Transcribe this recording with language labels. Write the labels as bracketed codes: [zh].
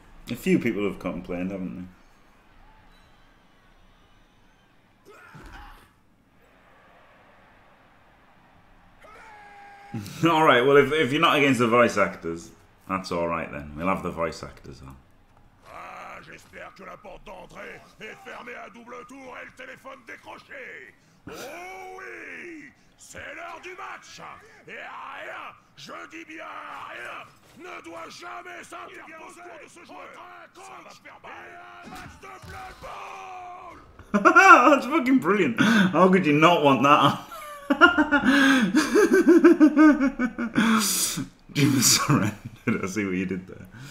[en] A few people have complained, haven't they? Alright, well, if you're not against the voice actors, that's alright then. We'll have the voice actors on. [fr] Ah, j'espère que la porte d'entrée est fermée à double tour et le téléphone décroché. Oh oui! C'est l'heure du match! Et rien, je dis bien rien, ne doit jamais s'interposer pour de ce joueur! Ça va faire mal! Match de Blood Bowl! [en] That's fucking brilliant! How could you not want that? Jim surrendered, I see what you did there.